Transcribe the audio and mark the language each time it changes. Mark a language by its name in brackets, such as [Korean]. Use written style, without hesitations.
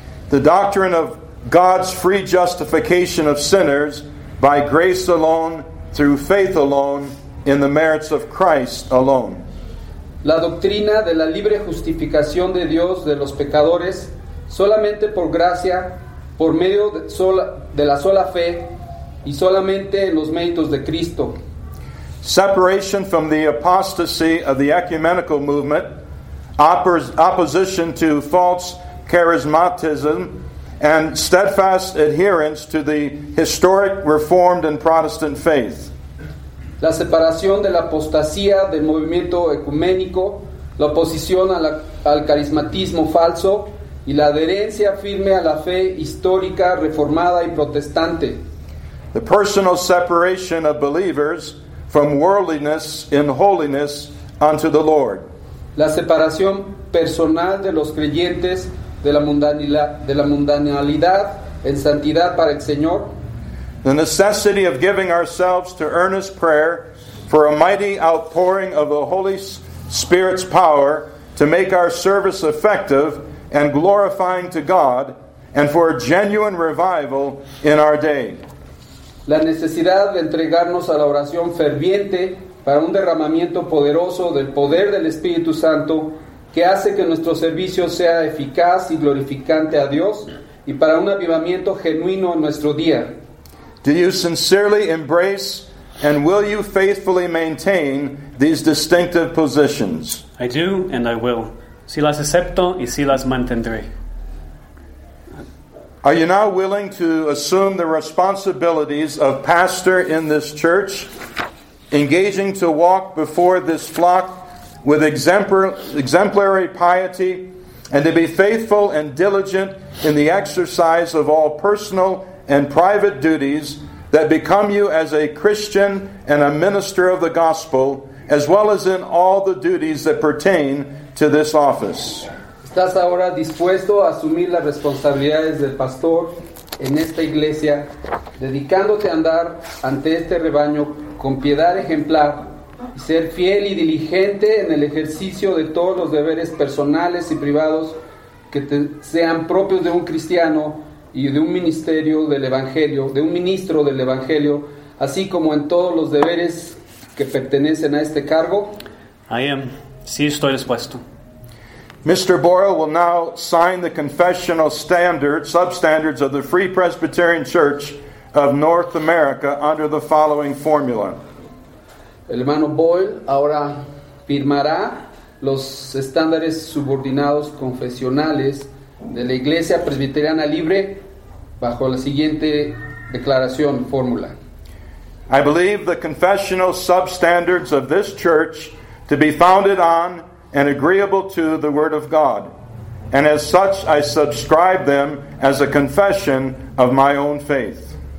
[English] The doctrine of God's free justification of sinners by grace alone, through faith alone, in the merits of Christ alone. [Spanish] La doctrina de la libre justificación de Dios de los pecadores solamente por gracia, por medio de la sola fe y solamente en los méritos de Cristo. [English] Separation from the apostasy of the ecumenical movement, opposition to false charismatism, and steadfast adherence to the historic Reformed and Protestant faith. [Spanish] La separación de la apostasía del movimiento ecuménico, la oposición al carismatismo falso y la adherencia firme a la fe histórica, reformada y protestante. [English] The personal separation of believers from worldliness in holiness unto the Lord. [Spanish] La separación personal de los creyentes de la mundanalidad en santidad para el Señor. [English] The necessity of giving ourselves to earnest prayer for a mighty outpouring of the Holy Spirit's power to make our service effective and glorifying to God and for a genuine revival in our day. [Spanish] La necesidad de entregarnos a la oración ferviente para un derramamiento poderoso del poder del Espíritu Santo que hace que nuestro servicio sea eficaz y glorificante a Dios y para un avivamiento genuino en nuestro día. [English] Do you sincerely embrace and will you faithfully maintain these distinctive positions? I do and I will. [Spanish] Si las acepto y si las mantendré. [English] Are you now willing to assume the responsibilities of pastor in this church, engaging to walk before this flock with exemplary piety and to be faithful and diligent in the exercise of all personal and private duties that become you as a Christian and a minister of the gospel, as well as in all the duties that pertain to this office. [Spanish] ¿Estás ahora dispuesto a asumir las responsabilidades del pastor en esta iglesia, dedicándote a andar ante este rebaño con piedad ejemplar y ser fiel y diligente en el ejercicio de todos los deberes personales y privados que te sean propios de un cristiano y de un ministerio del evangelio, de un ministro del evangelio, así como en todos los deberes que pertenecen a este cargo? [English] I am. [Spanish] Sí, estoy dispuesto. [English] Mr. Boyle will now sign the confessional standards, substandards of the Free Presbyterian Church of North America under the following formula. [Spanish] El hermano Boyle ahora firmará los estándares subordinados confesionales de la Iglesia Presbiteriana Libre bajo la siguiente declaración, fórmula. [English] I believe the confessional substandards of this church to be founded on and agreeable to the Word of God, and as such I subscribe them as a confession of my own faith.